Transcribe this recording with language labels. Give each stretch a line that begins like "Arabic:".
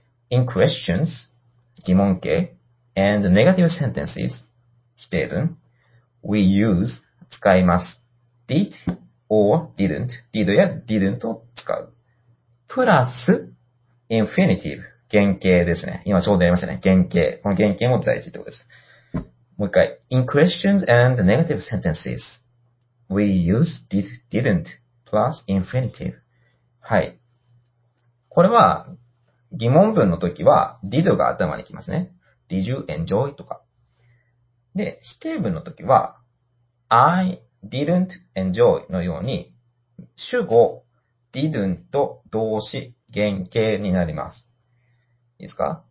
English: In questions 疑問形 and negative sentences 否定文 we use
Japanese: 使います
English: did or didn't did や didn't
Japanese: を使う
English: plus infinitive
Japanese: 原形ですね。今ちょうどやりましたね。原形。この原形も大事ってことです。もう一回
English: in questions and negative sentencesWe use did, didn't, plus infinitive.
Japanese: はい。これは疑問文の時は did が頭にきますね。
English: Did you enjoy?
Japanese: とか。で、否定文の時は I
English: didn't enjoy
Japanese: のように、主語 didn't と動詞原形になります。いいですか？